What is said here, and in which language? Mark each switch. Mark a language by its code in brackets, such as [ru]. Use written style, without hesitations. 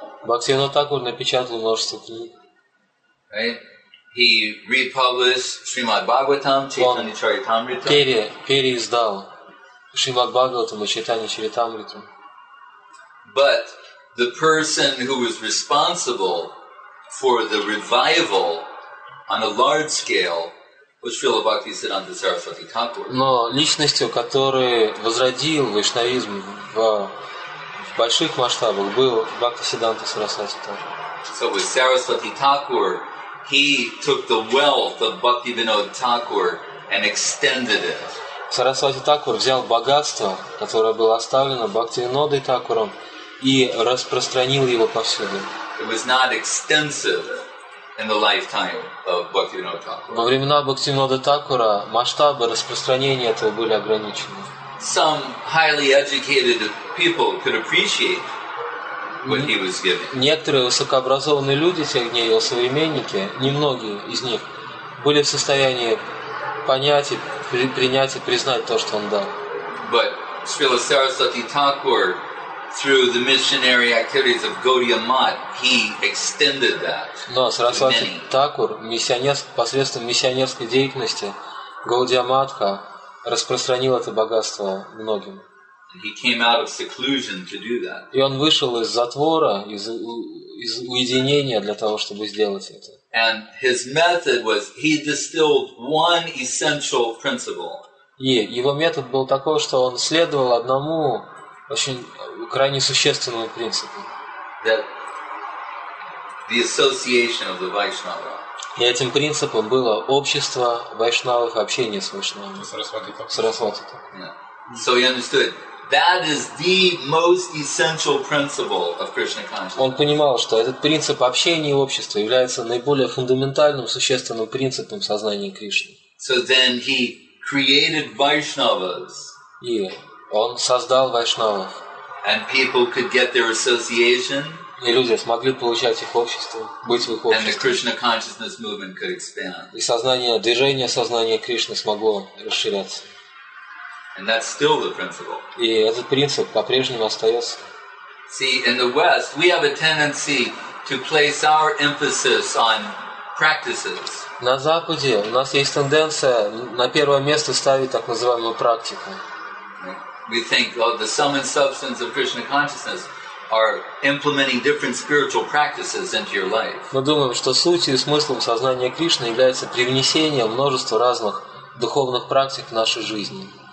[ru] Бхактивинода Тхакур напечатал множество книг. [en] Right? He republished Srimad Bhagavatam, Chaitanya Charitamrita. [ru] Переиздал Шримад Бхагаватам и Чайтанья Чаритамриту. [en] But the person who was responsible for the revival on a large scale was Srila Bhaktisiddhanta Saraswati Thakur. [ru] Но личностью, который возродил вайшнавизм в больших масштабах, был Бхактисиддханта Сарасвати Тхакур. [en] So with Saraswati Thakur, he took the wealth of Bhaktivinoda Thakur and extended it. [ru] Сарасвати Такур взял богатство, которое было оставлено Бхактивинодой Такуром, и распространил его повсюду. [en] It was not extensive in the lifetime of Bhaktivinoda Thakur. [ru] Во времена Бхактивинода Такура масштабы распространения этого были ограничены. [en] Some highly educated people could appreciate what he was giving. [ru] Некоторые высокообразованные люди тех дней, его современники, немногие из них, были в состоянии понять и принять и признать то, что он дал. [en] But Srila Saraswati Thakur, through the missionary activities of Gaudiya Math, he extended that. [ru] Но Сарасвати Такур посредством миссионерской деятельности Гаудия Матха распространил это богатство многим. [en] He came out of seclusion to do that. [ru] И он вышел из затвора, из уединения для того, чтобы сделать это. [en] And his method was he distilled one essential principle. [ru] И его метод был такой, что он следовал одному очень крайне существенному принципу. [en] That the association of the Vaishnava. [ru] И этим принципом было общество вайшнавов, общение с вайшнавами. Сарасвати. [en] Yeah. So he understood that is the most essential principle of Krishna consciousness. [ru] Он понимал, что этот принцип общения и общества является наиболее фундаментальным, существенным принципом сознания Кришны. [en] So then he created Vaishnavas. [ru] И он создал вайшнавов. [en] And people could get their association. [ru] и люди смогли получать их общество, быть в их обществе. И сознание, движение сознания Кришны смогло расширяться. [en] And that's still the principle. [ru] И этот принцип по-прежнему остается. [en] See, in the West, we have a tendency to place our emphasis on practices. [ru] На Западе у нас есть тенденция на первое место ставить так называемую практику. [en] We think of the sum and substance of Krishna consciousness are implementing different spiritual practices into your life. [ru] Мы думаем, что сутью и смыслом сознания Кришны является привнесение множества разных духовных практик в нашей жизни.